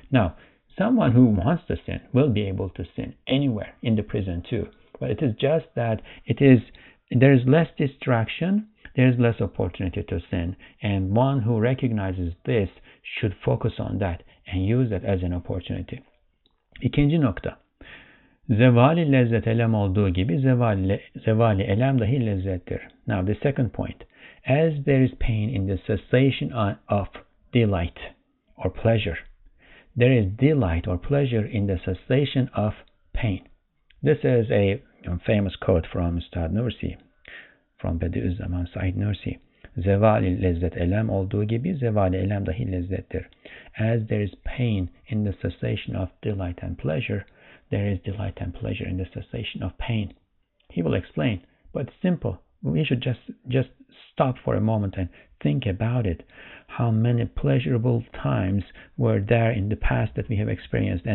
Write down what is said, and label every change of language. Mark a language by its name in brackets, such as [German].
[English] Now, someone who wants to sin will be able to sin anywhere in the prison too. But it is just that there is less distraction, there is less opportunity to sin. And one who recognizes this should focus on that and use that as an opportunity. [Turkish] İkinci nokta. Zevali lezzet elem olduğu gibi zevali elem dahi lezzettir. [English] Now the second point. As there is pain in the cessation of delight or pleasure, there is delight or pleasure in the cessation of pain. This is a famous quote from Ustad Nursi, from Bediüzzaman Said Nursi. [Turkish] Zevali lezzet elem olduğu gibi zevali elem dahi lezzettir. [English] As there is pain in the cessation of delight and pleasure, there is delight and pleasure in the cessation of pain. He will explain, but it's simple. We should just stop for a moment and think about it. How many pleasurable times were there in the past that we have experienced?